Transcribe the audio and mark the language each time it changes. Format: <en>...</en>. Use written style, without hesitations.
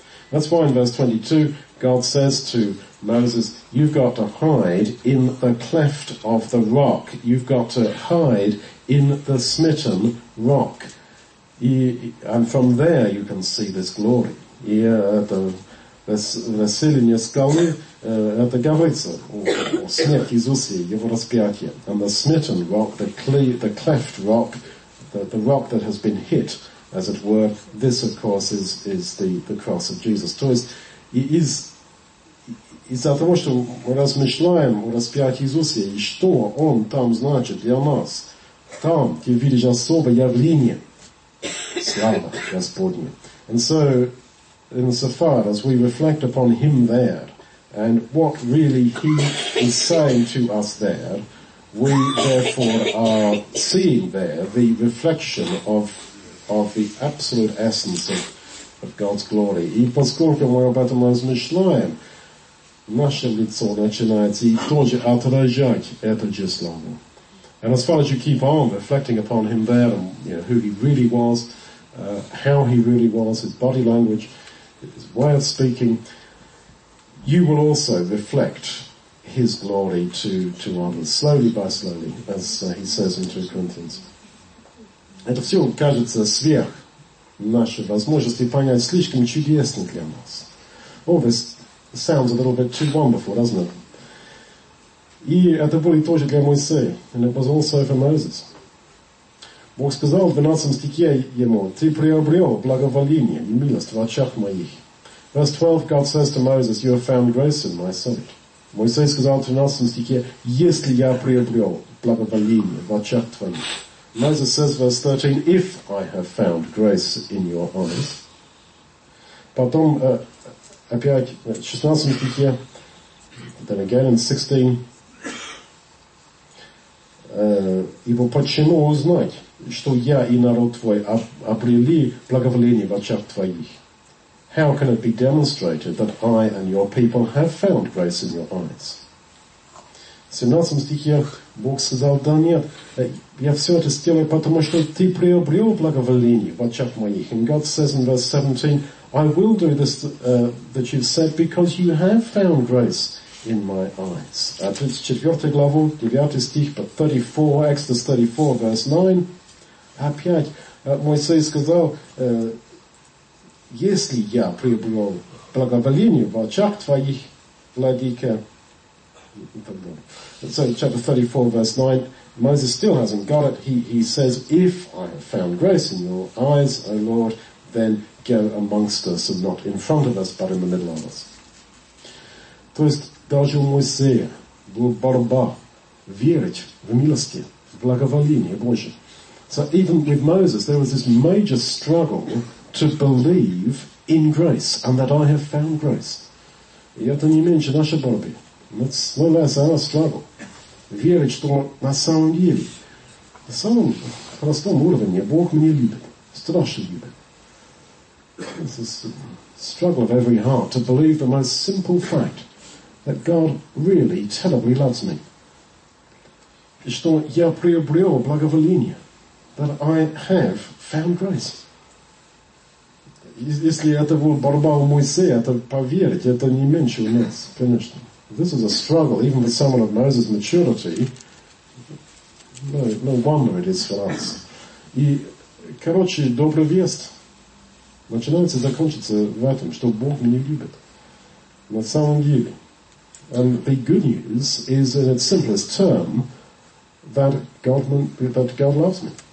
<en>That's why in verse 22, God says to Moses, you've got to hide in the cleft of the rock, you've got to hide in the smitten rock. And from there you can see this glory.</en> <ru>И это расселение скалы, это говорится о смерти Иисуса, его распятие.</ru> <en>And the smitten rock, the cleft rock, the rock that has been hit, as it were, this of course is the cross of Jesus.</en> <ru>То есть из-за того, что мы размышляем о распятии Иисуса, и что он там значит для нас, там ты видишь особое явление славы Господней.</ru> <en>And so, in so far as we reflect upon him there and what really he is saying to us there, we therefore are seeing there the reflection of the absolute essence of God's glory.</en> <ru>И поскольку мы об этом размышляем, наше лицо начинается тоже отражать это же славу.</ru> <en>And as far as you keep on reflecting upon him there and, you know, who he really was, how he really was, his body language, his way of speaking, you will also reflect his glory to others, slowly by slowly, as he says in 2 Corinthians.</en> <ru>Это все кажется сверх нашей возможности понять, слишком чудесно для нас.</ru> <en>All this sounds a little bit too wonderful, doesn't it?</en> <ru>И это было тоже для Моисея,</ru> <en>and it was also for Moses.</en> <ru>Бог сказал в 12 стихе ему, ты приобрел благоволение и милость в очах моих.</ru> <en>Verse 12, God says to Moses, you have found grace in my sight.</en> <ru>Моисей сказал в 12 стихе, если я приобрел благоволение в очах твоих.</ru> <en>Moses says, verse 13, if I have found grace in your eyes.</en> <ru>Потом опять в 16 стихе,</ru> <en>then again in 16,</en> <ru>ибо почему узнать, что я и народ твой обрели благоволение в очах твоих.</ru> <en>How can it be demonstrated that I and your people have found grace in your eyes?</en> <ru>В 17 стихе Бог сказал, да нет, я все это сделаю, потому что ты приобрел благоволение в очах моих.</ru> <en>And God says in verse 17, I will do this that you've said because you have found grace in my eyes.</en> <ru>34 главу, 9 стих, 34,</ru> <en>Exodus 34, verse 9.</en> <ru>Опять Моисей сказал, если я приобрел благоволение в очах твоих, владыка, и так далее.</ru> <en>So, chapter 34, verse 9, Moses still hasn't got it. He says, if I have found grace in your eyes, O Lord, then go amongst us, and not in front of us, but in the middle of us.</en> <ru>То есть, даже у Моисея была борьба верить в милости, в благоволение Божие.</ru> <en>So even with Moses, there was this major struggle to believe in grace, and that I have found grace.</en> <ru>И это не меньше наша борьба.</ru> <en>That's no less our struggle.</en> <ru>Верить, что на самом деле, на самом простом уровне, Бог меня любит, страшно любит.</ru> <en>It's a struggle of every heart to believe the most simple fact that God really terribly loves me.</en> <ru>что я приобрел благоволение.</ru> <en>That I have found grace.</en> <ru>Если это вот борьба у Моисея, это поверить, это не меньше у нас, конечно.</ru> <en>This is a struggle, even with someone of Moses' maturity. No, no wonder it is for us.</en> <ru>И, короче, добрая весть начинается и закончится в этом, что Бог меня любит. На самом деле.</ru> <en>And the good news is, in its simplest term, that God loves me.</en>